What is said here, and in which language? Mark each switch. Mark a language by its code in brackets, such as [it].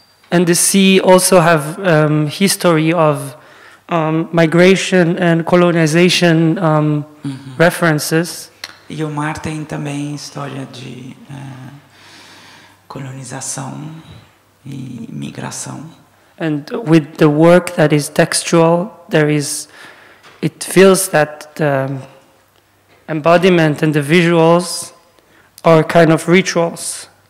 [en] And the sea also have history of migration and colonization references. [pt] E o mar tem também história de colonização e migração. [en] And with the work that is textual, there is, it feels that the embodiment and the visuals are kind of rituals.